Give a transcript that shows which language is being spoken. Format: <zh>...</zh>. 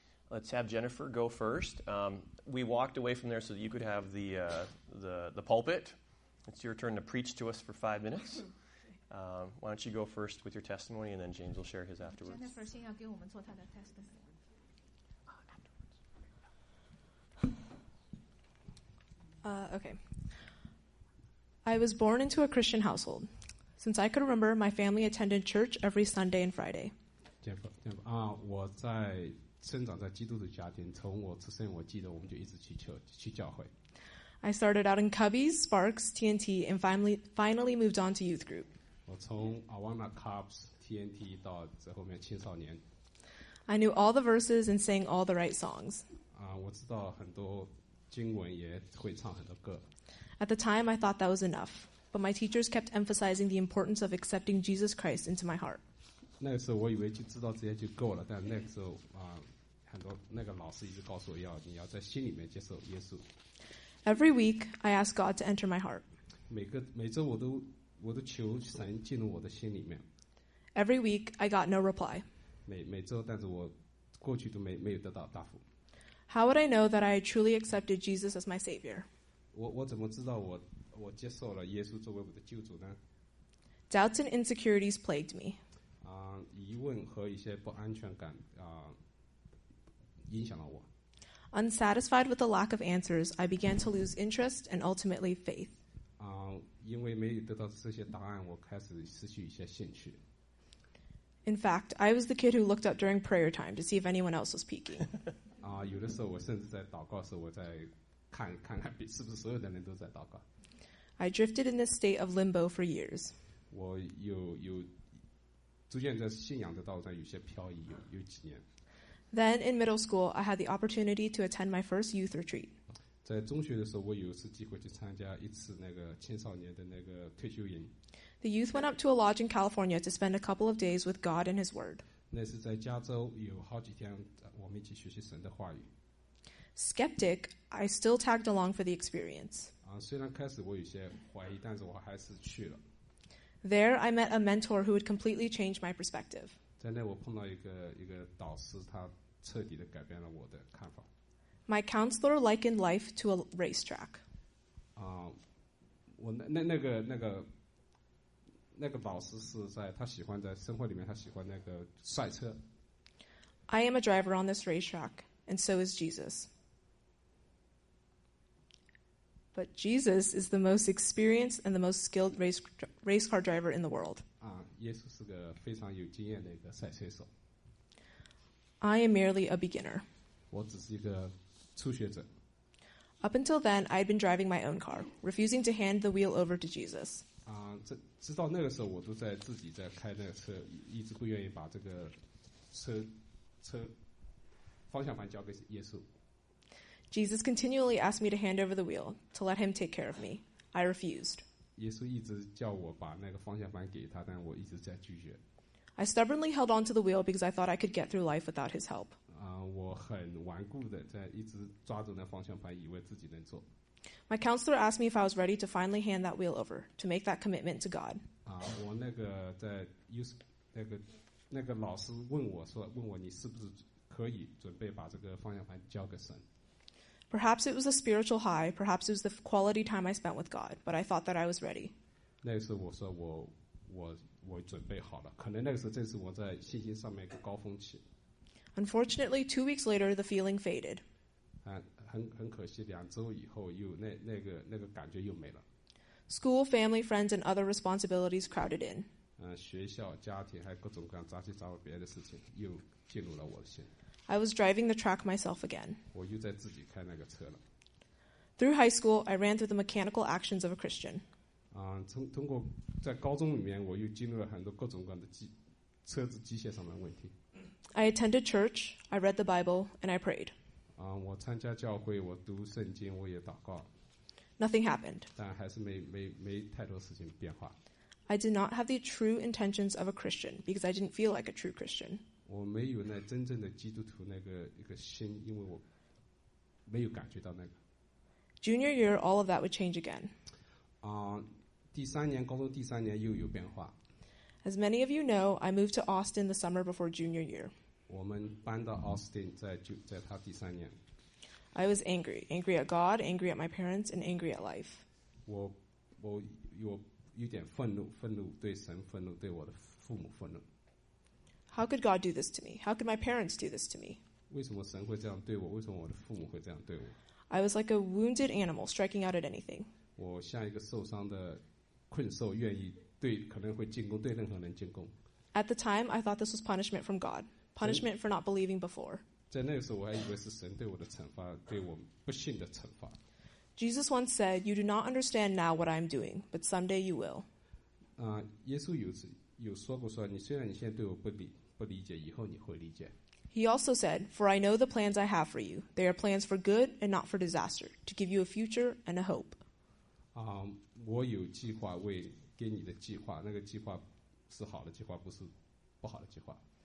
<en>Let's have Jennifer go first. We walked away from there so that you could have the pulpit. It's your turn to preach to us for 5 minutes. Why don't you go first with your testimony, and then James will share his afterwards.</en> <zh>Jennifer 先要给我们做他的 testimony.</zh> <en>Okay. I was born into a Christian household. Since I could remember, my family attended church every Sunday and Friday.</en> <zh>Jennifer, 我在生长在基督的家庭，从我出生我记得我们就一直去教会。</zh> <en>I started out in Cubbies, Sparks, TNT, and finally moved on to youth group.</en> <zh>我从 Awana Cubs, TNT 到最后面青少年。</zh> <en>I knew all the verses and sang all the right songs.</en> <zh>我知道很多经文，也会唱很多歌。</zh> <en>At the time, I thought that was enough, but my teachers kept emphasizing the importance of accepting Jesus Christ into my heart.</en> <zh>那个时候我以为就知道这些就够了，但那个时候很多那个老师一直告诉我要你要在心里面接受耶稣。</zh> <en>Every week, I ask God to enter my heart.</en> <zh>每周我都求神进入我的心里面。</zh> <en>Every week, I got no reply.</en> <zh>每周，但是我过去都没有得到答复。</zh> <en>How would I know that I truly accepted Jesus as my Savior?</en> <zh>我怎么知道我接受了耶稣作为我的救主呢？</zh> <en>Doubts and insecurities plagued me.</en> <zh>疑问和一些不安全感影响了我。</zh> <en>Unsatisfied with the lack of answers, I began to lose interest and ultimately faith.</en> <zh>因为没得到这些答案，我开始失去一些兴趣。</zh> <en>In fact, I was the kid who looked up during prayer time to see if anyone else was speaking.</en> <zh>有的时候我甚至在祷告时，我在看看是不是所有的人都在祷告。</zh> <en>I drifted in this state of limbo for years.</en> <zh>我有逐渐在信仰的道路上有些漂移，有几年。</zh> <en>Then in middle school, I had the opportunity to attend my first youth retreat.</en> <zh>在中学的时候，我有一次机会去参加一次那个青少年的那个退休营。</zh> <en>The youth went up to a lodge in California to spend a couple of days with God and His Word.</en> <zh>那是在加州有好几天，我们一起学习神的话语。</zh> <en>Skeptic, I still tagged along for the experience.</en> <zh>虽然开始我有些怀疑，但是我还是去了。</zh> <en>There, I met a mentor who would completely change my perspective.</en> <zh>在那我碰到一个导师，他彻底的改变了我的看法。</zh> <en>My counselor likened life to a racetrack.</en> <zh>我那个导师是在他喜欢在生活里面，他喜欢那个赛车。</zh> <en>I am a driver on this racetrack, and so is Jesus. But Jesus is the most experienced and the most skilled race car driver in the world.</en> <zh>啊，耶稣是个非常有经验的一个赛车手。</zh> <en>I am merely a beginner.</en> <zh>我只是一个初学者。</zh> <en>Up until then, I had been driving my own car, refusing to hand the wheel over to Jesus.</en> <zh>啊，直到那个时候，我都在自己在开那个车，一直不愿意把这个车方向盘交给耶稣。</zh> <en>Jesus continually asked me to hand over the wheel, to let him take care of me. I refused.</en> <zh>耶稣一直叫我把那个方向盘给他，但我一直在拒绝。</zh> <en>I stubbornly held on to the wheel because I thought I could get through life without his help.</en> <zh>我很顽固的在一直抓住那方向盘，以为自己能做。</zh> <en>My counselor asked me if I was ready to finally hand that wheel over, to make that commitment to God.</en> <zh>我那个在那个老师问我你是不是可以准备把这个方向盘交给神。</zh> <en>Perhaps it was a spiritual high, perhaps it was the quality time I spent with God, but I thought that I was ready.</en> <zh>那个时候我说我准备好了，可能那个时候正是我在信心上面一个高峰期。</zh> <en>Unfortunately, 2 weeks later, the feeling faded.</en> <zh>很可惜，两周以后又那个感觉又没了。</zh> <en>School, family, friends, and other responsibilities crowded in.</en> <zh>学校、家庭还各种各样杂七杂八别的事情又进入了我的心。</zh> <en>I was driving the track myself again.</en> <zh>我又在自己开那个车了。</zh> <en>Through high school, I ran through the mechanical actions of a Christian.</en> <zh>通过在高中里面，我又进入了很多各种各样的车子机械上面的问题。</zh> <en>I attended church, I read the Bible, and I prayed.</en> <zh>我参加教会，我读圣经，我也祷告。</zh> <en>Nothing happened.</en> <zh>但还是没太多事情变化。</zh> <en>I did not have the true intentions of a Christian because I didn't feel like a true Christian.</en> <zh>我没有那真正的基督徒那个一个心，因为我没有感觉到那个。</zh> <en>Junior year, all of that would change again.</en> <zh>第三年，高中第三年又有变化。</zh> <en>As many of you know, I moved to Austin the summer before junior year.</en> <zh>我们搬到 Austin 在他第三年。</zh> <en>I was angry, angry at God, angry at my parents, and angry at life.</en> <zh>我有点愤怒，愤怒对神，愤怒对我的父母，愤怒。</zh> <en>How could God do this to me? How could my parents do this to me?</en> <zh>为什么神会这样对我？为什么我的父母会这样对我？</zh> <en>I was like a wounded animal striking out at anything.</en> <zh>我像一个受伤的困兽，愿意对可能会进攻，对任何人进攻。</zh> <en>At the time, I thought this was punishment from God, punishment for not believing before.</en> <zh>在那个时候，我还以为是神对我的惩罚，对我不信的惩罚。</zh> <en>Jesus once said, "You do not understand now what I am doing, but someday you will."</en> <zh>耶稣有说过说，你虽然你现在对我不理解，以后你会理解。</zh> <en>He also said, "For I know the plans I have for you; they are plans for good and not for disaster, to give you a future and a hope."</en> <zh>我有计划为给你的计划，那个计划是好的计划，不是不好的计划。</zh>